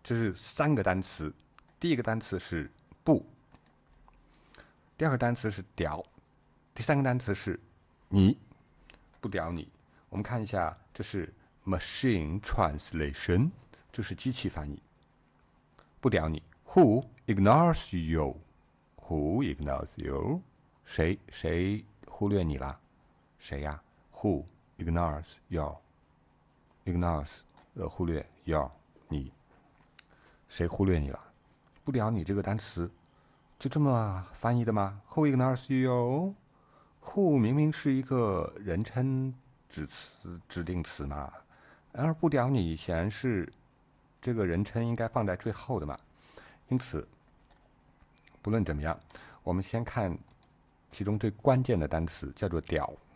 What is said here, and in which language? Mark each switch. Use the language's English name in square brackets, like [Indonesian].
[Chinese] 这是三个单词，第一个单词是“不”，第二个单词是“屌”，第三个单词是“你”。不屌你，我们看一下，这是 [English] machine translation， [Chinese] 这是机器翻译。 [English] 不屌你 ，Who ignores you？ Who ignores you？ [Chinese] 谁忽略你了？谁呀 [English] ？Who ignores you？ Ignores 忽略 you 你？ [Chinese] 谁忽略你了？不屌你这个单词就这么翻译的吗 ？ [English] Who ignores you？ [Chinese] Who 明明是一个人称指定词呢，然而不屌你显然是。这个人称应该放在最后的嘛，因此不论怎么样，我们先看其中最关键的单词，叫做屌。